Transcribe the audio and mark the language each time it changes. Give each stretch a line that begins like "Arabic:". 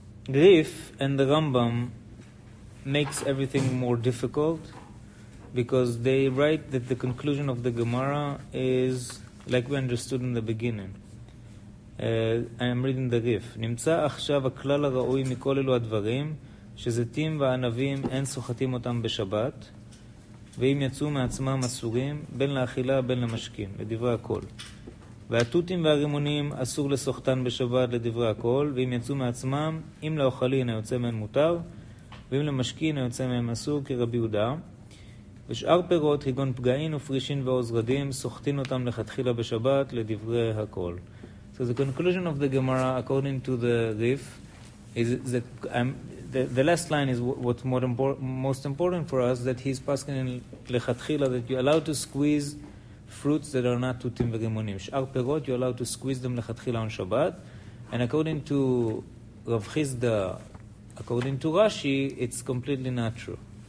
English: Grif and the Rambam makes everything more difficult because they write that the conclusion of the Gemara is like we understood in the beginning. I am reading the Rif.
Hebrew: Nimtza achshav haklal ha-ra'oi mikol elu ha-dvarim שזיתים וענבים אין סוחטים אותם בשבת ואם יצאו מעצמם אסורים בין לאכילה בין למשקים לדברי הכל והתותים והרימונים אסור לסוחטן בשבת לדברי הכל ואם יצאו מעצמם אם לאוכלין היוצא מהם מותר ואם למשקין היוצא מהם אסור כרבי יהודה ושאר פירות היגון פגעין ופרישין ועוזרדים סוחטין אותם לכתחילה בשבת לדברי הכל.
English: So the conclusion of the Gemara according to the Rif is that the last line is what's most important for us, that he's pasken in lechatchila, that you're allowed to squeeze fruits that are not tutim v'rimonim. Sh'ar perot, you're allowed to squeeze them lechatchila on Shabbat. And according to Rav Chisda, according to Rashi, it's completely not true.